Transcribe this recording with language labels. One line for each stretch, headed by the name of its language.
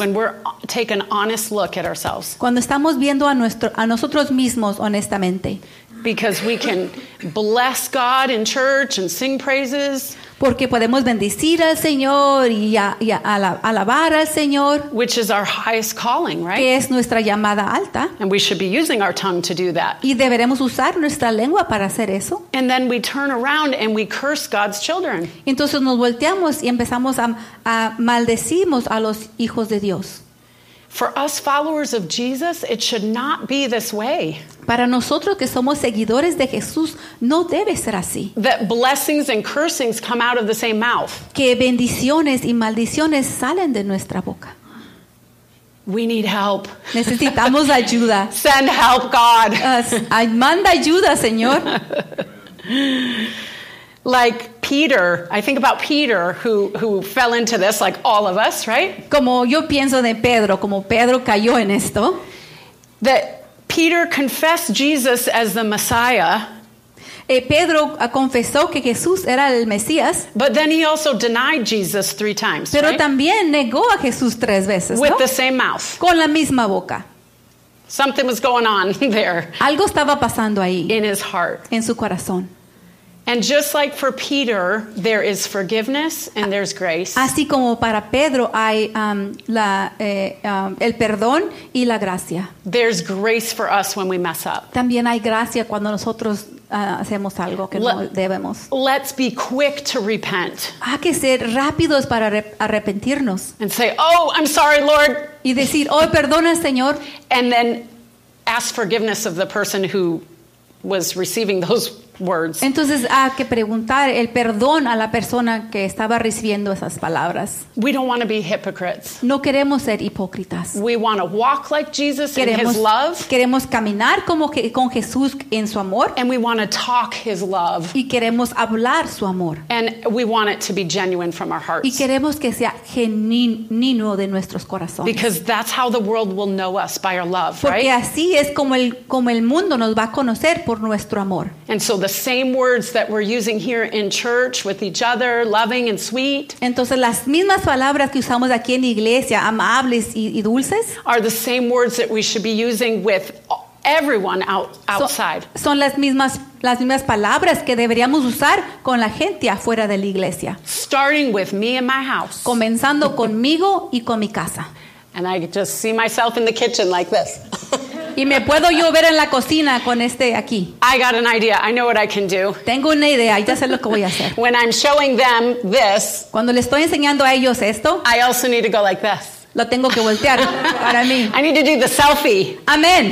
English: When we're take an honest look at ourselves.
Spanish: Cuando estamos viendo a nosotros mismos honestamente.
English: Because we can bless God in church and sing praises.
Spanish: Porque podemos bendecir al Señor y alabar al Señor.
English: Which is our highest calling, right?
Spanish: Que es nuestra llamada alta.
English: And we should be using our tongue to do that.
Spanish: Y deberemos usar nuestra lengua para hacer eso.
English: And then we turn around and we curse God's children.
Spanish: Entonces nos volteamos y empezamos a maldecimos a los hijos de Dios.
English: For us followers of Jesus, it should not be this way.
Spanish: Para nosotros que somos seguidores de Jesús, no debe ser así.
English: That blessings and cursings come out of the same mouth.
Spanish: Que bendiciones y maldiciones salen de nuestra boca.
English: We need help.
Spanish: Necesitamos ayuda.
English: Send help, God.
Spanish: Manda ayuda, Señor.
English: Like Peter, I think about Peter who fell into this, like all of us, right?
Spanish: Como yo pienso de Pedro, como Pedro cayó en esto.
English: That Peter confessed Jesus as the Messiah.
Spanish: Pedro confesó que Jesús era el Mesías.
English: But then he also denied Jesus 3 times.
Spanish: Pero
English: right?
Spanish: También negó a Jesús 3 veces.
English: With
Spanish: ¿no?
English: the same mouth.
Spanish: Con la misma boca.
English: Something was going on there.
Spanish: Algo estaba pasando ahí.
English: In his heart.
Spanish: En su corazón.
English: And just like for Peter, there is forgiveness and there's grace.
Spanish: Así como para Pedro hay el perdón y la gracia.
English: There's grace for us when we mess up.
Spanish: También hay gracia cuando nosotros hacemos algo que no debemos.
English: Let's be quick to repent.
Spanish: Hay que ser rápidos para arrepentirnos.
English: And say, "Oh, I'm sorry, Lord."
Spanish: Y decir, "Oh, perdona, Señor."
English: And then ask forgiveness of the person who was receiving those words.
Spanish: Entonces hay que preguntar el perdón a la persona que estaba recibiendo esas palabras.
English: We don't want to be hypocrites.
Spanish: No queremos ser hipócritas.
English: We want to walk like Jesus in His love.
Spanish: Queremos caminar como que con Jesús en su amor.
English: And we want to talk His love.
Spanish: Y queremos hablar su amor.
English: And we want it to be genuine from our hearts.
Spanish: Y queremos que sea genuino de nuestros corazones.
English: Because that's how the world will know us by our love,
Spanish: porque Porque así es como el mundo nos va a conocer por nuestro amor.
English: And so the same words that we're using here in church with each other, loving and sweet.
Spanish: Entonces las mismas palabras que usamos aquí en iglesia, amables y dulces,
English: are the same words that we should be using with everyone outside.
Spanish: Son las mismas palabras que deberíamos usar con la gente afuera de la iglesia.
English: Starting with me and my house.
Spanish: Comenzando conmigo y con mi casa.
English: And I just see myself in the kitchen like this.
Spanish: Y me puedo yo ver en la cocina con este aquí.
English: I got an idea. I know what I can do.
Spanish: Tengo una idea. Ya sé lo que voy a hacer.
English: When I'm showing them this.
Spanish: Cuando le estoy enseñando a ellos esto.
English: I also need to go like this.
Spanish: Lo tengo que voltear para mí.
English: I need to do the selfie.
Spanish: Amen.